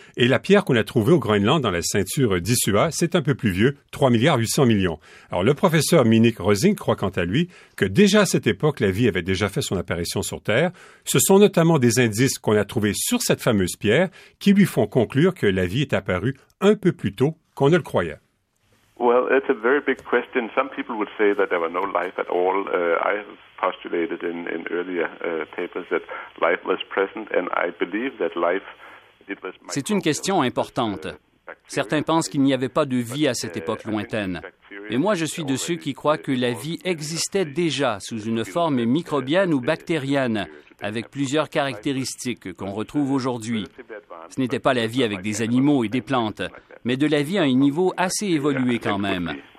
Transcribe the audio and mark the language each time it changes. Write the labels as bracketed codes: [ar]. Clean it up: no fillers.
[fr] Et la pierre qu'on a trouvée au Groenland dans la ceinture d'Issua, c'est un peu plus vieux, 3,8 milliards. Alors, le professeur Minik Rosing croit quant à lui que déjà à cette époque, la vie avait déjà fait son apparition sur Terre. Ce sont notamment des indices qu'on a trouvés sur cette fameuse pierre qui lui font conclure que la vie est apparue un peu plus tôt qu'on ne le croyait. [en] Well, it's a very big question. Some people would say that there were no life at all. I have postulated in earlier papers that life was present, and I believe that life, it was... [fr] C'est une question importante. Certains pensent qu'il n'y avait pas de vie à cette époque lointaine. Mais moi, je suis de ceux qui croient que la vie existait déjà sous une forme microbienne ou bactérienne, avec plusieurs caractéristiques qu'on retrouve aujourd'hui. Ce n'était pas la vie avec des animaux et des plantes, mais de la vie à un niveau assez évolué quand même.